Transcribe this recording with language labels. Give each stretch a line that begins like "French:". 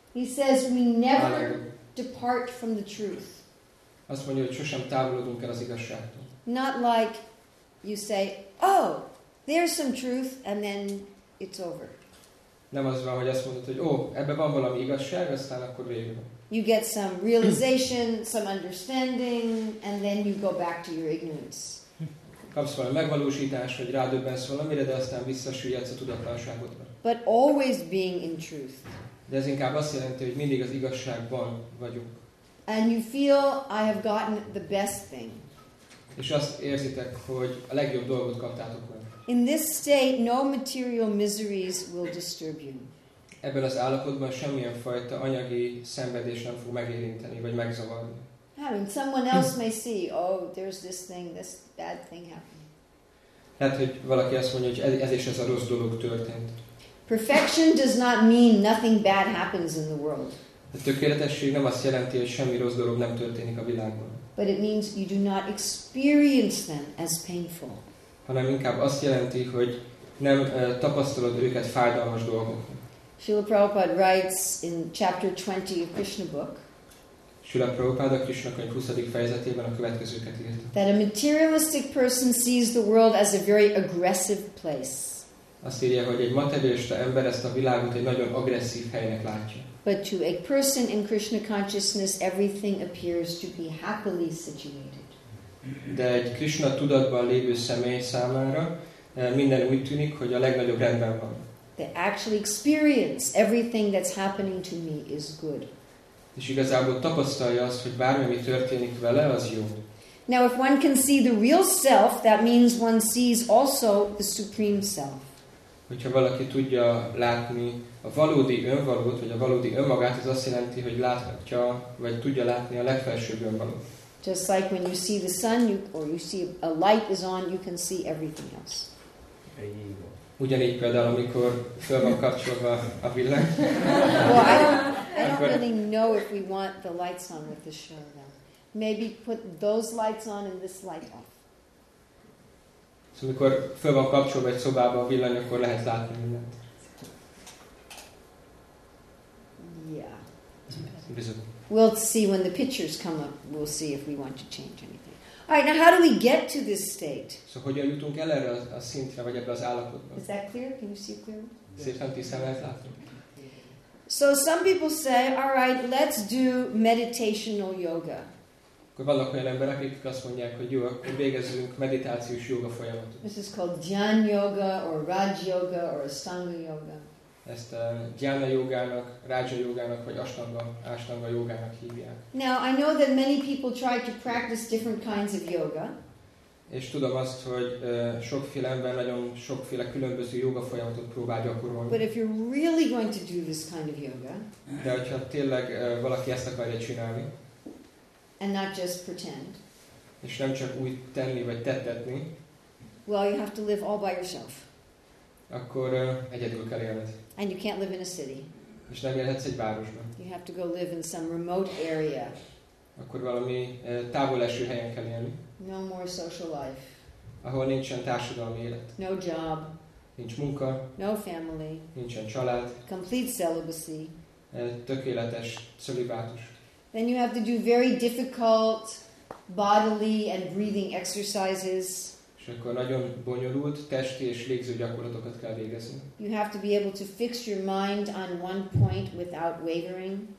English: He says we never depart from the truth.
Hungarian: Azt mondja, hogy sosem távolodunk el az igazságtól.
English: Not like you say, oh, there's some truth, and then it's over.
Hungarian: Nem az van, hogy azt mondod, hogy ebben van valami igazság, aztán akkor végül.
English: You get some realization, some understanding, and then you go back to your ignorance.
Hungarian: Kapsz valami megvalósítás, vagy rádöbbensz valamire, de aztán visszasüllyedsz a tudatlanságodba.
English: But always being in truth.
Hungarian: De ez inkább azt jelenti, hogy mindig az igazságban vagyunk.
English: And you feel, I have gotten the best thing.
Hungarian: És azt érzitek, hogy a legjobb dolgot kaptátok meg.
English: In this state, no material miseries will disturb you.
Hungarian: Ebben az állapotban semmilyen fajta anyagi szenvedés nem fog megérinteni, vagy megzavarni.
English: And someone else may see, there's this thing, this bad thing happening.
Hungarian: Lehet, hogy valaki azt mondja, hogy ez is ez a rossz dolog történt.
English: Perfection does not mean nothing bad happens in the world.
Hungarian: A tökéletesség nem azt jelenti, hogy semmi rossz dolog nem történik a világban.
English: But it means you do not experience them as painful.
Hungarian: Hanem inkább azt jelenti, hogy nem tapasztalod őket fájdalmas dolgok.
English: Srila Prabhupada writes in chapter 20 of Krishna book.
Hungarian: Srila Prabhupada Krishna könyv 20. fejezetében a következőket írt.
English: That a materialistic person sees the world as a very aggressive place.
Hungarian: Azt írja, hogy egy materialista ember ezt a világot egy nagyon agresszív helynek látja.
English: But to a person in Krishna consciousness, everything appears to be happily situated.
Hungarian: De egy Krishna tudatban lévő személy számára minden úgy tűnik, hogy a legnagyobb rendben van.
English: They actually experience everything that's happening to me is good.
Hungarian: És igazából tapasztalja azt, hogy bármi, ami történik vele, az jó.
English: Now if one can see the real self, that means one sees also the supreme self.
Hungarian: Hogyha valaki tudja látni a valódi önvalót, vagy a valódi önmagát, az azt jelenti, hogy láthatja, vagy tudja látni a legfelsőbb önvalót.
English: Just like when you see the sun, or you see a light is on, you can see everything else.
Hungarian: Ugyanígy például, amikor föl van kapcsolva a villany.
English: I don't really know if we want the lights on with this show, though. Maybe put those lights on and this light off.
Hungarian: Szóval, amikor föl van kapcsolva egy szobába a villany, akkor lehet látni mindent.
English: Yeah.
Hungarian: Bizony.
English: We'll see when the pictures come up. We'll see if we want to change anything. All right, now how do we get to this state?
Hungarian: Szóval, hogyan jutunk el erre a szintre, vagy ebbe az állapotba?
English: Is that clear? Can you see it clearly?
Hungarian: Szépen tisztán lehet látni.
English: So some people say, all right, let's do meditational yoga.
Hungarian: Akkor vannak olyan emberek, akik azt mondják, hogy jó, akkor végezzünk meditációs jóga folyamatot.
English: This is called Dhyan Yoga, or Raj Yoga, or Ashtanga Yoga.
Hungarian: Ezt Dhyana Yogának, Raja Yogának, vagy Ashtanga Yogának hívják.
English: Now, I know that many people try to practice different kinds of yoga.
Hungarian: És tudom azt, hogy sokféle ember nagyon sokféle különböző jóga folyamatot próbál gyakorolni.
English: But if you're really going to do this kind of yoga,
Hungarian: de hogyha tényleg valaki ezt akarja csinálni,
English: and not just pretend.
Hungarian: És nem csak úgy tenni vagy tettetni.
English: Well, you have to live all by yourself.
Hungarian: Akkor egyedül kell élned.
English: And you can't live in a city.
Hungarian: És nem élhetsz egy városban.
English: You have to go live in some remote area.
Hungarian: Akkor valami távol eső helyen kell élni.
English: No more social life.
Hungarian: Ahol nincsen társadalmi élet.
English: No job.
Hungarian: Nincs munka.
English: No family.
Hungarian: Nincsen család.
English: Complete celibacy.
Hungarian: Tökéletes celibátus.
English: Then you have to do very difficult bodily and breathing exercises.
Hungarian: És akkor nagyon bonyolult testi és légző gyakorlatokat kell végezni.
English: You have to be able to fix your mind on one point without wavering.